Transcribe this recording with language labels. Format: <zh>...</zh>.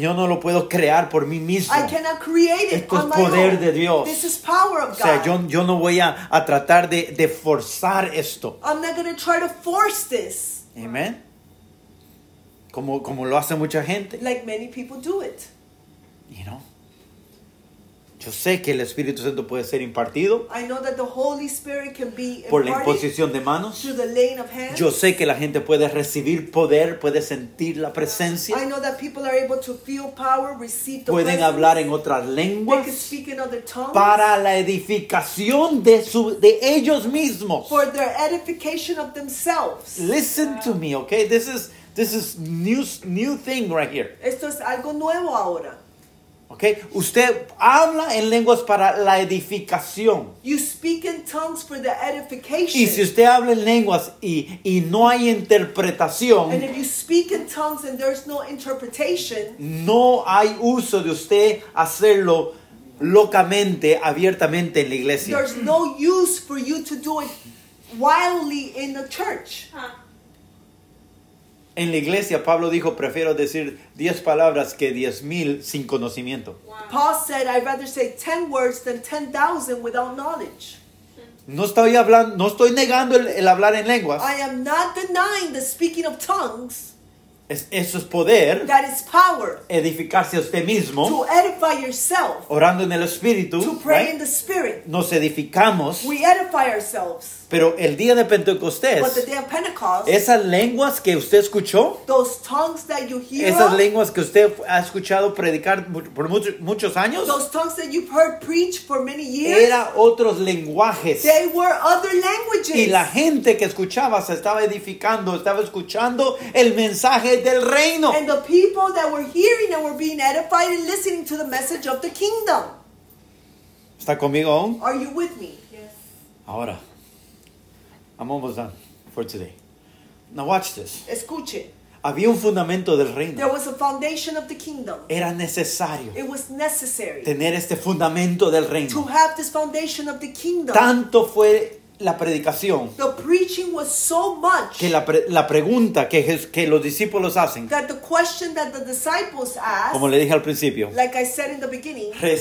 <es>Yo no lo puedo crear por mí mismo.</es> <en>I cannot create it.</en> <es>Esto es poder de Dios.</es> <en>This is power of God.</en> <es>O sea, yo no voy a tratar de forzar esto.</es> <en>I'm not going to try to force this.</en> <es>Amen. Como lo hace mucha gente.</es> <en>Like many people do it. You know.</en> <es>Yo sé que el Espíritu Santo puede ser impartido.</es> <en>I know that the Holy Spirit can be imparted.</en> <es>Por la imposición de manos.</es> <en>Through the laying of hands.</en> <es>Yo sé que la gente puede recibir poder, puede sentir la presencia.</es> <en>I know that people are able to feel power, receive the</en> <es>pueden</es> <en>presence.</en> <es>Hablar en otras lenguas.</es> <en>They can speak in other tongues.</en> <es>Para la edificación de ellos mismos.</es> <en>For their edification of themselves. Listen to me, okay? This is new thing right here.</en> <es>Esto es algo nuevo ahora. Okay, usted habla en lenguas para la edificación.</es> <en>You speak in tongues for the edification.</en> <es>Y si usted habla en lenguas y no hay interpretación.</es> <en>And if you speak in tongues and there's no interpretation.</en> <es>No hay uso de usted hacerlo locamente, abiertamente en la iglesia.</es> <en>There's no use for you to do it wildly in the church. Huh.</en> <es>En la iglesia, Pablo dijo, prefiero decir 10 palabras que 10,000 sin conocimiento.</es> <en>Wow. Paul said, I'd rather say 10 words than 10,000 without knowledge.</en> <es>No estoy negando el hablar en lenguas.</es> <en>I am not denying the speaking of tongues.</en> <es>Eso es poder.</es> <en>That is power.</en> <es>Edificarse a usted mismo.</es> <en>To edify yourself.</en> <es>Orando en el Espíritu.</es> <en>To pray right? in the Spirit.</en> <es>Nos edificamos.</es> <en>We edify ourselves.</en> <es>Pero el día de Pentecostés,</es> <en>but the day of Pentecost,</en> <es>esas lenguas que usted escuchó,</es> <en>those tongues that you hear,</en> <es>esas lenguas que usted ha escuchado predicar por muchos años,</es> <en>those tongues that you've heard preach for many years,</en> <es>eran otros lenguajes.</es> <en>They were other languages.</en> <es>Y la gente que escuchaba se estaba edificando, estaba escuchando el mensaje del reino.</es> <en>And the people that were hearing and were being edified and listening to the message of the kingdom.</en> <es>¿Está conmigo aún?</es> <en>Are you with me? Yes.</en> <es>Ahora.</es> <en>I'm almost done for today. Now watch this.</en> <es>Escuche. Había un fundamento del reino.</es> <en>There was a foundation of the kingdom.</en> <es>Era necesario.</es> <en>It was necessary.</en> <es>Tener este fundamento del reino.</es> <en>To have this foundation of the kingdom.</en> <es>Tanto fue la predicación.</es> <en>The preaching was so much.</en> <es>Que la pregunta que los discípulos hacen.</es> <en>That the question that the disciples asked.</en> <es>Como le dije al principio. Like I said in the beginning.</es>